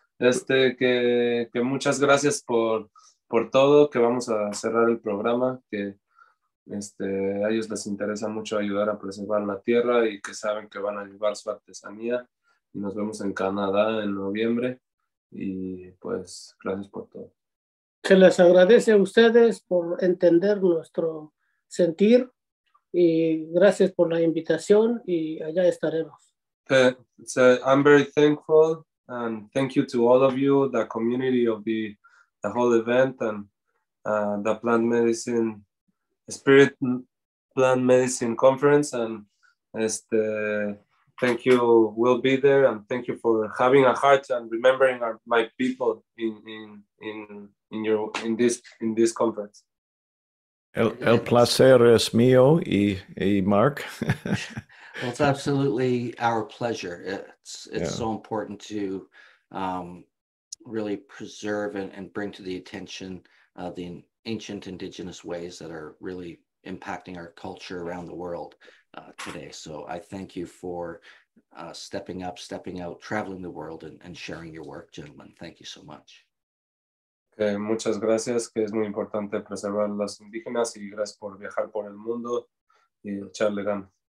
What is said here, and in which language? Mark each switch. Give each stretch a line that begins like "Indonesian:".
Spanish: Que muchas gracias por todo, que vamos a cerrar el programa, que a ellos les interesa mucho ayudar a preservar la tierra y que saben que van a llevar su artesanía. Y nos vemos en Canadá en noviembre y pues gracias por todo. Se les agradece a ustedes por entender nuestro sentir. Y gracias por la invitación y allá estaremos.
English: So I'm very thankful and thank you to all of you, the community of the whole event and the Plant Medicine, Spirit Plant Medicine Conference. And thank you, we'll be there. And thank you for having a heart and remembering my people in this conference.
Spanish: El placer es mío y Marc.
English: Well, it's absolutely our pleasure. It's so important to really preserve and bring to the attention the ancient indigenous ways that are really impacting our culture around the world today. So I thank you for stepping up, stepping out, traveling the world and sharing your work, gentlemen. Thank you so much.
Spanish: Muchas gracias, que es muy importante preservar los indígenas y gracias por viajar por el mundo y echarle ganas.